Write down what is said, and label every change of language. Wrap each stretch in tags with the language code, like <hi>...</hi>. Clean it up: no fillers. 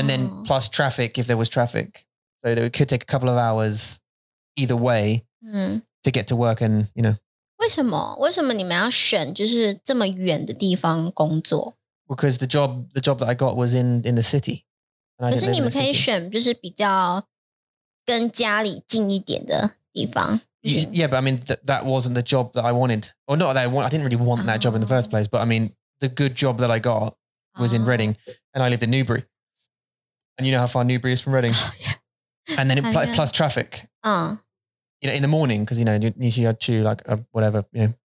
<en>And then plus traffic, if there was traffic. So it could take a couple of hours either way to get to work and, you know.</en> <zh>为什么? 为什么你们要选就是这么远的地方工作?</zh> <en>Because the job that I got was in the city.</en> <zh>可是你们可以选就是比较 跟家里近一点的地方,</zh> <en>yeah, but I mean that wasn't the job that I wanted. Or not that I wanted, I didn't really want that job in the first place, but I mean the good job that I got was in Reading and I lived in Newbury. And you know how far Newbury is from Reading. And then it plus traffic. You know, in the morning, because you know, you should have to like whatever, you know.</en>